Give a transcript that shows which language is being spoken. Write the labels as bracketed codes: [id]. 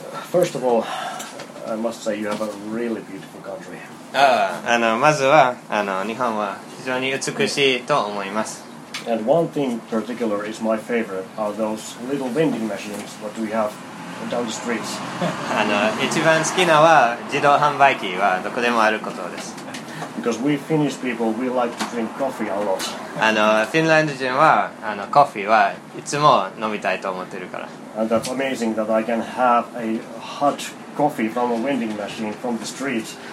[en] First of all, I must say you have a really beautiful country. [ja] まずは日本は非常に美しいと思います。 [en] And one thing in particular is my favorite are those little vending machines that we have down the streets. [ja] 一番好きなは自動販売機はどこでもあることです。 [en] Because we Finnish people, we like to drink coffee a lot. [ja] フィンランド人はコーヒーはいつも飲みたいと思ってるから。 [en] And that's amazing that I can have a hot coffee from a vending machine from the street.